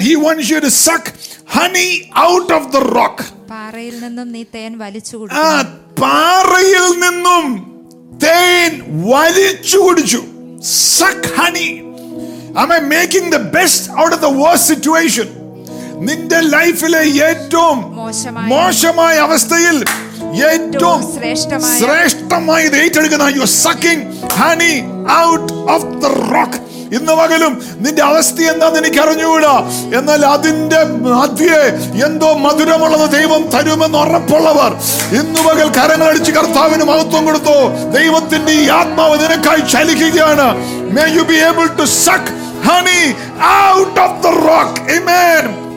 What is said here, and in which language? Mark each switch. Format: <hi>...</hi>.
<en>He wants you to suck honey out of the rock.</en> <ml>പാറയിൽ നിന്നും നീ തേൻ വലിച്ചു കുടിച്ചു. പാറയിൽ നിന്നും തേൻ വലിച്ചു കുടിച്ചു.</ml> <en>Suck honey. Am I making the best out of the worst situation?</en> <ml>നിന്റെ ലൈഫിലെ ഏറ്റവും മോശമായ അവസ്ഥയിൽ ഏറ്റവും ശ്രേഷ്ഠമായി ഏറ്റെടുക്കുന്ന,</ml> <en>you are sucking honey out of the rock.</en> <ml>ഇന്ന് പകലും നിന്റെ അവസ്ഥ എന്താണെന്ന് എനിക്ക് അറിഞ്ഞുകൂടാ. എന്നാൽ അതിന്റെ മധ്യേ എന്തോ മധുരമുള്ളത് ദൈവം തരുമെന്ന് ഉറപ്പുള്ളവർ ഇന്ന് പകൽ കരങ്ങൾ അടിച്ച് കർത്താവിന് മഹത്വം കൊടുത്തു. ദൈവത്തിന്റെ ഈ ആത്മാവ് നിനക്കായി ചലിക്കുകയാണ്.</ml> <en>May you be able to suck honey out of the rock. Amen.</en>